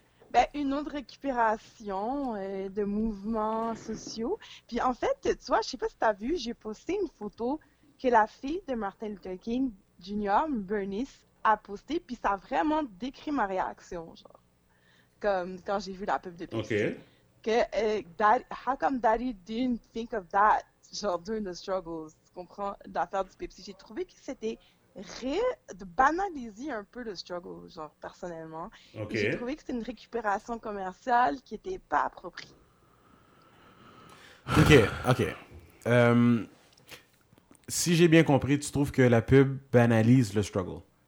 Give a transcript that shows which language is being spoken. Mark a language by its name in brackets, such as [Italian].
[French] Ben, une autre récupération de mouvements sociaux. Puis en fait, tu vois, je ne sais pas si tu as vu, j'ai posté une photo que la fille de Martin Luther King Jr., Bernice, à poster, puis ça a vraiment décrit ma réaction, genre, comme quand j'ai vu la pub de Pepsi. Okay. [English] Que, how come daddy didn't think of that, genre, during the struggles, tu [French] comprends, d'affaire du Pepsi. J'ai trouvé que c'était de banaliser un peu le struggle, genre, personnellement. Okay. Et j'ai trouvé que c'était une récupération commerciale qui n'était pas appropriée. OK, OK. Si j'ai bien compris, tu trouves que la pub banalise le struggle?